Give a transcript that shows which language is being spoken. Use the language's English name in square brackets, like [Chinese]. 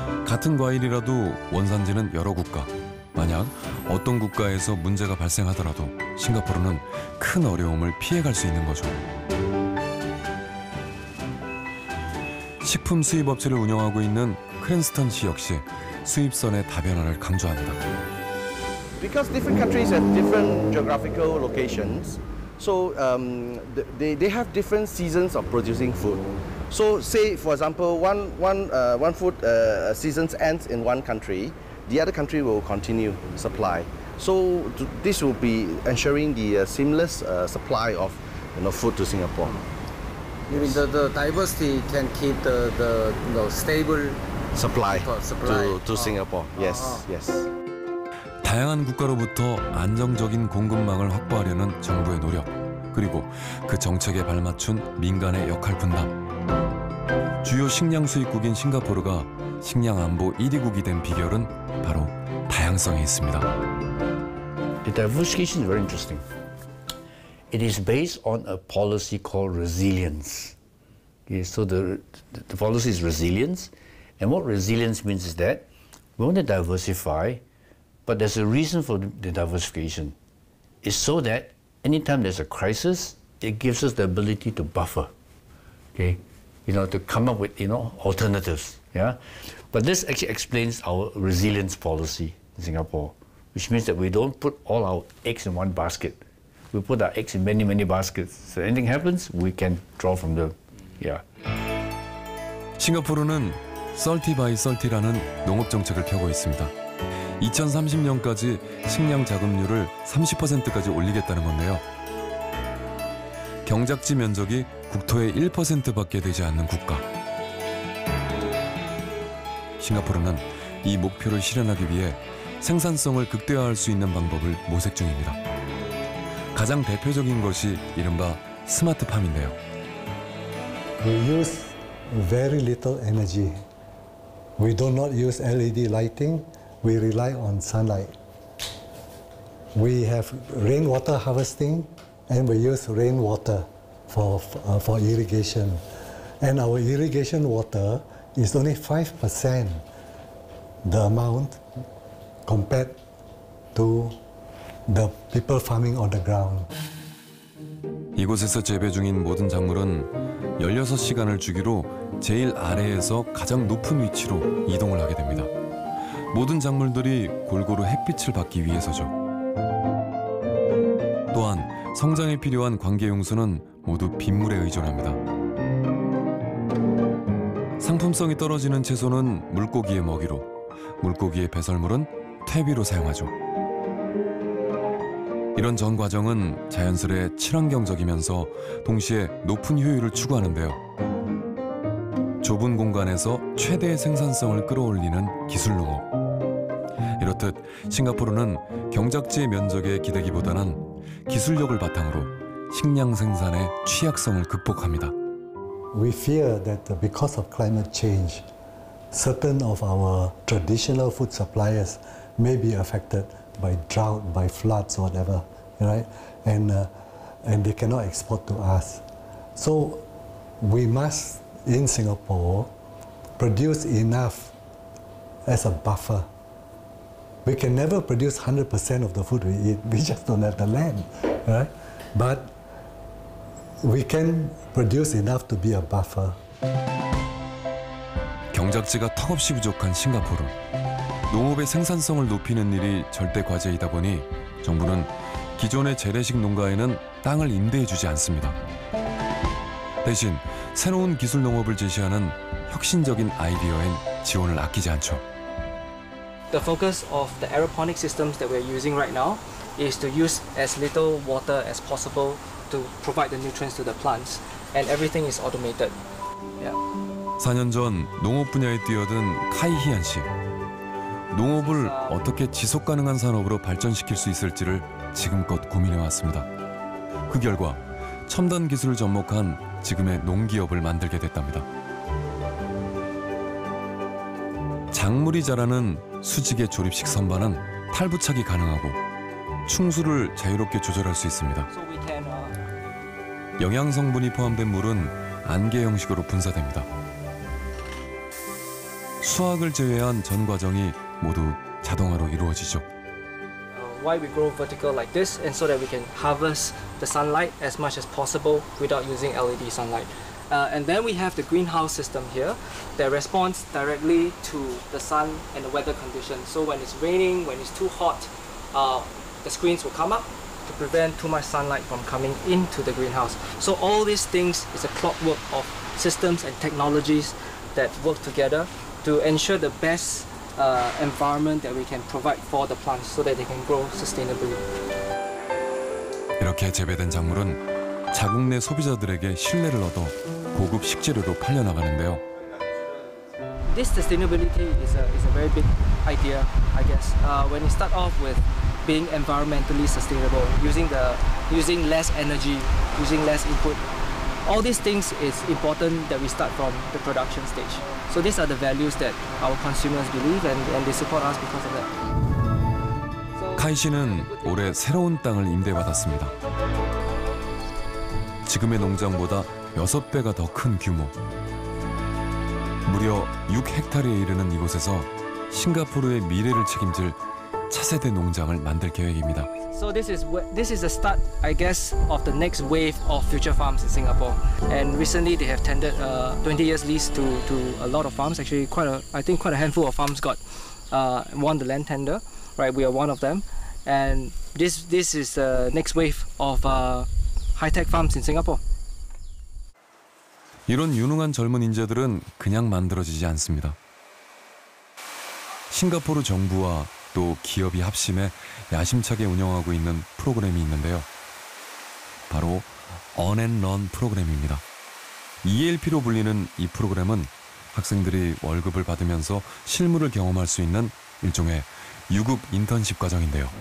[Korean] 같은 과일이라도 원산지는 여러 국가. 만약 어떤 국가에서 문제가 발생하더라도 싱가포르는 큰 어려움을 피해갈 수 있는 거죠. 식품 수입 업체를 운영하고 있는 크랜스턴 씨 역시 수입선의 다변화를 강조합니다. [English] Because different countries have different geographical locations, so they have different seasons of producing food. So say for example one food seasons ends in one country, the other country will continue supply. So this will be ensuring the seamless supply of you know food to Singapore. Yes. Mean the diversity can keep the you know, stable supply to Singapore. Yes, yes. [Korean] 다양한 국가로부터 안정적인 공급망을 확보하려는 정부의 노력, 그리고 그 정책에 발맞춘 민간의 역할 분담. 주요 식량 수입국인 싱가포르가 식량 안보 1위국이 된 비결은 바로 다양성에 있습니다. [English] The diversification is very interesting. It is based on a policy called resilience. Okay, so the policy is resilience. And what resilience means is that we want to diversify, but there's a reason for the diversification. It's so that anytime there's a crisis, it gives us the ability to buffer, okay? You know, to come up with, you know, alternatives, yeah? But this actually explains our resilience policy in Singapore, which means that we don't put all our eggs in one basket. We put our eggs in many, many baskets. So anything happens, we can draw from them, yeah. [Korean] 싱가포르는 썰티바이썰티라는 농업정책을 펴고 있습니다. 2030년까지 식량 자급률을 30%까지 올리겠다는 건데요. 경작지 면적이 국토의 1%밖에 되지 않는 국가. 싱가포르는 이 목표를 실현하기 위해 생산성을 극대화할 수 있는 방법을 모색 중입니다. 가장 대표적인 것이 이른바 스마트팜인데요. [English] We use very little energy. We do not use LED lighting. We rely on sunlight. We have rainwater harvesting, and we use rainwater for irrigation. And our irrigation water is only 5% the amount compared to the people farming on the ground. [Korean] 이곳에서 재배 중인 모든 작물은 16시간을 주기로 제일 아래에서 가장 높은 위치로 이동을 하게 됩니다. 모든 작물들이 골고루 햇빛을 받기 위해서죠. 또한 성장에 필요한 관계용수는 모두 빗물에 의존합니다. 상품성이 떨어지는 채소는 물고기의 먹이로, 물고기의 배설물은 퇴비로 사용하죠. 이런 전 과정은 자연스레 친환경적이면서 동시에 높은 효율을 추구하는데요. 좁은 공간에서 최대의 생산성을 끌어올리는 기술 농업. 이렇듯 싱가포르는 경작지의 면적에 기대기보다는 기술력을 바탕으로 식량 생산의 취약성을 극복합니다. [English] We fear that because of climate change, certain of our traditional food suppliers may be affected by drought, by floods, whatever, right? And they cannot export to us. So we must, in Singapore, produce enough as a buffer. We can never produce 100% of the food we eat. We just don't have the land, right? But we can produce enough to be a buffer. [Korean] 경작지가 턱없이 부족한 싱가포르. 농업의 생산성을 높이는 일이 절대 과제이다 보니 정부는 기존의 재래식 농가에는 땅을 임대해 주지 않습니다. 대신 새로운 기술 농업을 제시하는 혁신적인 아이디어엔 지원을 아끼지 않죠. [English] The focus of the aeroponic systems that we're using right now is to use as little water as possible to provide the nutrients to the plants and everything is automated. Yeah. [Korean] 4년 전 농업 분야에 뛰어든 카이희안 씨. 농업을 어떻게 지속 가능한 산업으로 발전시킬 수 있을지를 지금껏 고민해 왔습니다. 그 결과 첨단 기술을 접목한 지금의 농기업을 만들게 됐답니다. 작물이 자라는 수직의 조립식 선반은 탈부착이 가능하고 충수를 자유롭게 조절할 수 있습니다. 영양 성분이 포함된 물은 안개 형식으로 분사됩니다. 수확을 제외한 전 과정이 모두 자동화로 이루어지죠. [English] Why we grow vertical like this and so that we can harvest the sunlight as much as possible without using LED sunlight. And then we have the greenhouse system here that responds directly to the sun and the weather condition. So when it's raining, when it's too hot, the screens will come up to prevent too much sunlight from coming into the greenhouse. So all these things is a clockwork of systems and technologies that work together to ensure the best environment that we can provide for the plants so that they can grow sustainably. [Korean] 이렇게 재배된 작물은 자국 내 소비자들에게 신뢰를 얻어 고급 식재료로 팔려나가는데요. [English] This sustainability is a very big idea, I guess. When you start off with being environmentally sustainable, using less energy, using less input, all these things is important that we start from the production stage. So these are the values that our consumers believe and they support us because of that. [Korean] 카이 씨는 올해 새로운 땅을 임대받았습니다. 지금의 농장보다 6배가 더 큰 규모. 무려 6헥타르에 이르는 이곳에서 싱가포르의 미래를 책임질 차세대 농장을 만들 계획입니다. [English] So this is the start, I guess, of the next wave of future farms in Singapore. And recently they have tendered a 20 years lease to a lot of farms. Actually quite a handful of farms got won the land tender, right? We are one of them. And this is the next wave of high-tech farms in Singapore. [Korean] 이런 유능한 젊은 인재들은 그냥 만들어지지 않습니다. 싱가포르 정부와 또 기업이 합심해 야심차게 운영하고 있는 프로그램이 있는데요. 바로 On and Run 프로그램입니다. ELP로 불리는 이 프로그램은 학생들이 월급을 받으면서 실무를 경험할 수 있는 일종의 유급 인턴십 과정인데요.